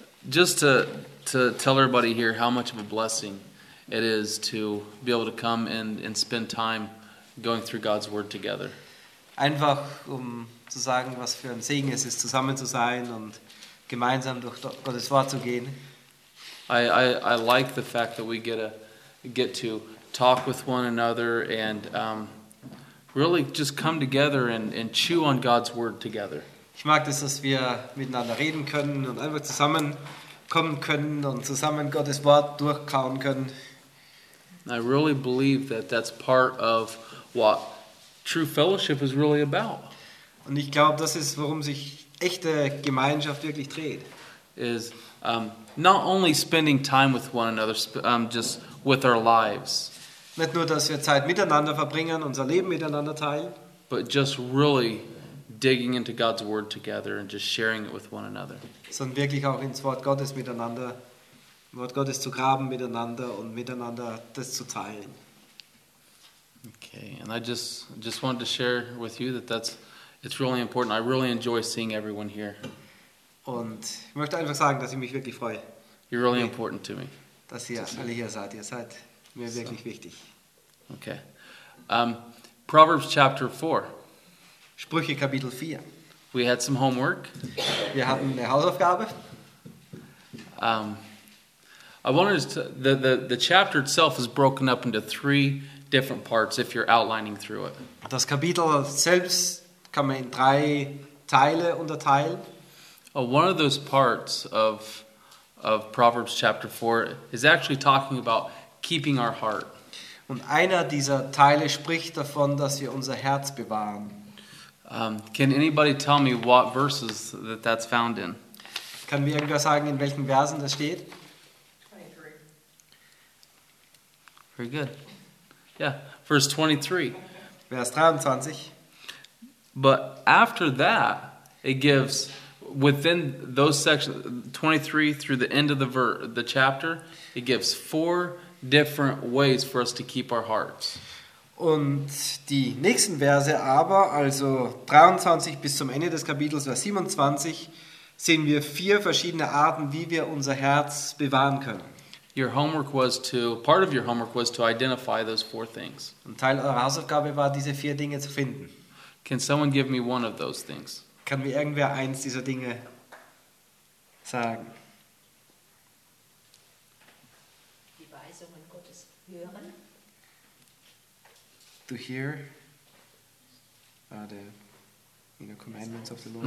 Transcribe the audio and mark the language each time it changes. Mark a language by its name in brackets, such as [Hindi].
[English] Just to tell everybody here how much of a blessing it is to be able to come and spend time going through God's Word together. [German] Einfach um zu sagen, was für ein Segen es ist, zusammen zu sein und gemeinsam durch Gottes Wort zu gehen. [English] I like the fact that we get to talk with one another and really just come together and chew on God's Word together. [German] Ich mag das, dass wir miteinander reden können und einfach zusammen kommen können und zusammen Gottes Wort durchkauen können. [English] I really believe that that's part of what true fellowship is really about. [German] Und ich glaube, das ist, worum sich echte Gemeinschaft wirklich dreht. [English] Is not only spending time with one another, just with our lives. [German] Nicht nur, dass wir Zeit miteinander verbringen, unser Leben miteinander teilen. [English] But just really digging into God's Word together and just sharing it with one another. [German] Sondern wirklich auch ins Wort Gottes miteinander, Wort Gottes zu graben miteinander und miteinander das zu teilen. [English] Okay, and I just wanted to share with you that's it's really important. I really enjoy seeing everyone here. [German] Und ich möchte einfach sagen, dass ich mich wirklich freue. [English] You're really important to me. [German] Dass ihr alle hier seid. Ihr seid mir wirklich wichtig. [English] Okay. Proverbs chapter 4. [German] Sprüche Kapitel 4. [English] We had some homework. [German] Wir hatten eine Hausaufgabe. [English] I wanted to, the chapter itself is broken up into three different parts if you're outlining through it. [German] Das Kapitel selbst kann man in drei Teile unterteilen. [English] One of those parts of Proverbs chapter 4 is actually talking about keeping our heart. [German] Und einer dieser Teile spricht davon, dass wir unser Herz bewahren. [English] Can anybody tell me what verses that's found in? [German] Kann mir irgendwer sagen, in welchen Versen das steht? [English] 23. Very good. Yeah, verse 23. [German] Vers 23. [English] But after that, it gives within those sections 23 through the end of the chapter, it gives four different ways for us to keep our hearts. [German] Und die nächsten Verse aber, also 23 bis zum Ende des Kapitels, Vers 27, sehen wir vier verschiedene Arten, wie wir unser Herz bewahren können. [English] Your homework was to, part of your homework was to identify those four things. [German] Und Teil eurer Hausaufgabe war, diese vier Dinge zu finden. [English] Can someone give me one of those things? [German] Kann mir irgendwer eins dieser Dinge sagen? Die Weisungen Gottes hören. [English] To hear are the commandments of the Lord.